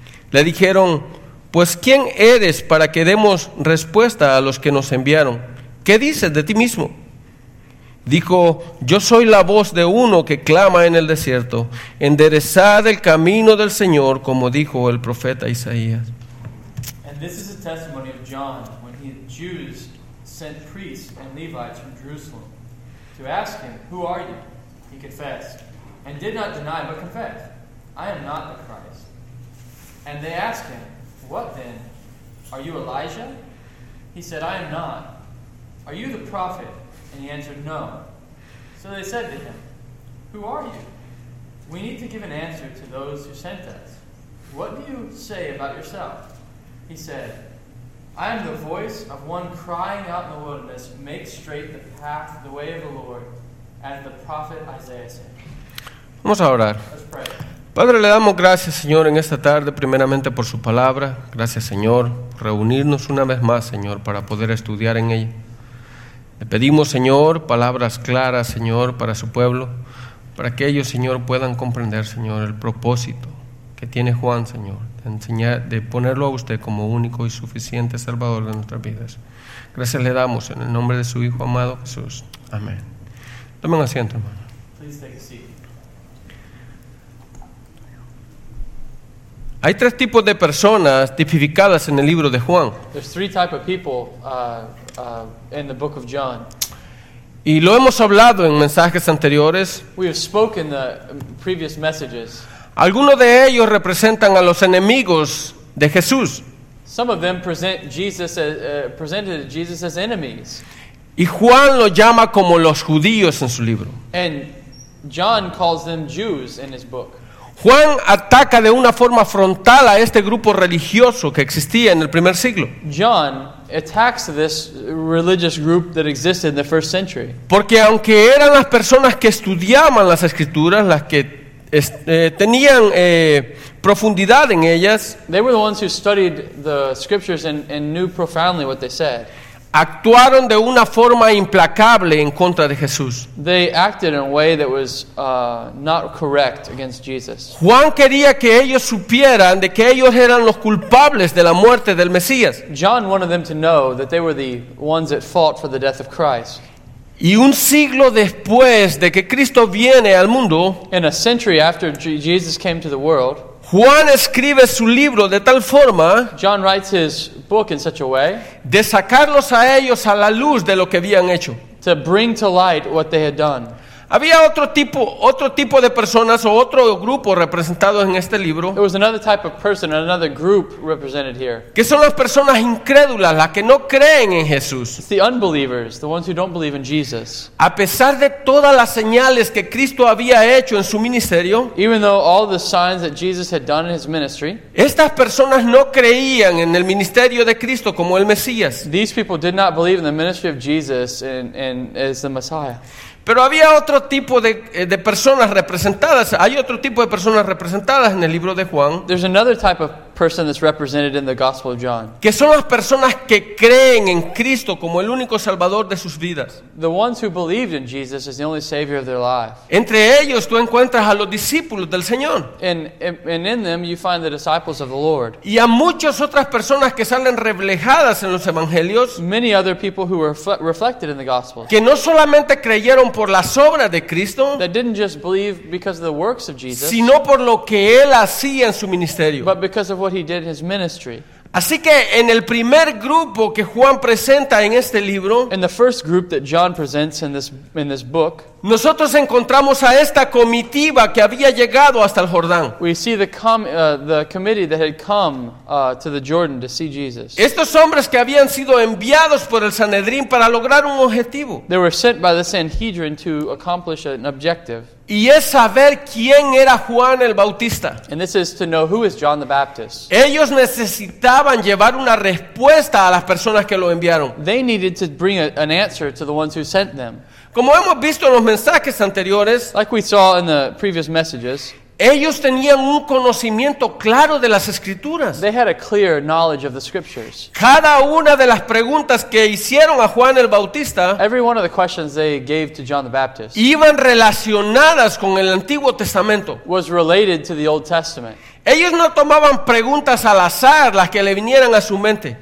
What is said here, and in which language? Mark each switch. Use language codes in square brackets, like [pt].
[es] Le dijeron: pues ¿quién eres para que demos respuesta a los que nos enviaron? ¿Qué dices de ti mismo? Dijo: yo soy la voz de uno que clama en el desierto: enderezad el camino del Señor, como dijo el profeta Isaías. [en] And this is a testimony of John when he and Jews sent priests and Levites from Jerusalem to ask him, who are you? He confessed and did not deny, but confessed, I am not the Christ. And they asked him, what then? Are you Elijah? He said, I am not. Are you the prophet? And he answered, no. So they said to him, who are you? We need to give an answer to those who sent us. What do you say about yourself? He said, I am the voice of one crying out in the wilderness, make straight the path, the way of the Lord, as the prophet Isaiah said. [es] Vamos a orar. [en] Let's pray. [es] Padre, le damos gracias, Señor, en esta tarde, primeramente por su palabra. Gracias, Señor, por reunirnos una vez más, Señor, para poder estudiar en ella. Le pedimos, Señor, palabras claras, Señor, para su pueblo, para que ellos, Señor, puedan comprender, Señor, el propósito que tiene Juan, Señor, de enseñar, de ponerlo a usted como único y suficiente salvador de nuestras vidas. Gracias le damos en el nombre de su Hijo amado Jesús. Amén. Tomen asiento, hermano. [en] Please take a seat. [es] Hay tres tipos de personas tipificadas en el libro de Juan. [en] There's three type of people, in the book of John. [es] Y lo hemos hablado en mensajes anteriores. [en] We have spoken the previous messages. [es] Algunos de ellos representan a los enemigos de Jesús. [en] Some of them present Jesus as, presented Jesus as enemies. [es] Y Juan lo llama como los judíos en su libro. [en] And John calls them Jews in his book. [es] Juan ataca de una forma frontal a este grupo religioso que existía en el primer siglo. [en] John attacks this religious group that existed in the first century. [es] Porque aunque eran las personas que estudiaban las escrituras, las que tenían profundidad en ellas, [en] they were the ones who studied the scriptures and knew profoundly what they said. [es] Actuaron de una forma implacable en contra de Jesús. [en] They acted in a way that was not correct against Jesus. [es] Juan quería que ellos supieran de que ellos eran los culpables de la muerte del Mesías. [en] John wanted them to know that they were the ones that fought for the death of Christ. [es] Y un siglo después de que Cristo viene al mundo, [en] in a century after Jesus came to the world, [es] Juan escribe su libro de tal forma, [en] John writes his book in such a way, [es] de sacarlos a ellos a la luz de lo que habían hecho, [en] to bring to light what they had done. [es] Había otro tipo de personas o otro grupo representado en este libro. [en] There was another type of person, another group represented here. [es] Que son las personas incrédulas, las que no creen en Jesús. [en] It's the unbelievers, the ones who don't believe in Jesus. [es] A pesar de todas las señales que Cristo había hecho en su ministerio, [en] even though all the signs that Jesus had done in his ministry, [es] estas personas no creían en el ministerio de Cristo como el Mesías. [en] These people did not believe in the ministry of Jesus and as the Messiah. [es] Pero había otro tipo de personas representadas. Hay otro tipo de personas representadas en el libro de Juan. [en] There's another type of person that's represented in the Gospel of John. [es] Que son las personas que creen en Cristo como el único salvador de sus vidas. [en] The ones who believed in Jesus as the only savior of their life. [es] Entre ellos tú encuentras a los discípulos del Señor. [en] And in them you find the disciples of the Lord. [es] Y a muchas otras personas que salen reflejadas en los evangelios. [en] Many other people who are reflected in the Gospels. [es] Que no solamente creyeron por las obras de Cristo, [en] that didn't just believe because of the works of Jesus, [es] sino por lo que él hacía en su ministerio. [en] But because of what he did in his ministry. [es] Así que en el primer grupo que Juan presenta en este libro, [en] in the first group that John presents in this book, [es] nosotros encontramos a esta comitiva que había llegado hasta el Jordán. [en] We see the committee that had come to the Jordan to see Jesus. [es] Estos hombres que habían sido enviados por el Sanedrín para lograr un objetivo. [en] They were sent by the Sanhedrin to accomplish an objective. [es] Y es saber quién era Juan el Bautista. [en] And this is to know who is John the Baptist. [es] Ellos necesitaban llevar una respuesta a las personas que lo enviaron. [en] They needed to bring an answer to the ones who sent them. [es] Como hemos visto en los mensajes anteriores, [en] like we saw in the previous messages, [es] ellos tenían un conocimiento claro de las Escrituras. [en] They had a clear knowledge of the Scriptures. [es] Cada una de las preguntas que hicieron a Juan el Bautista, [en] every one of the questions they gave to John the Baptist, [es] iban relacionadas con el Antiguo Testamento. [en] Was related to the Old Testament. [es] Ellos no tomaban preguntas al azar, las que le vinieran a su mente.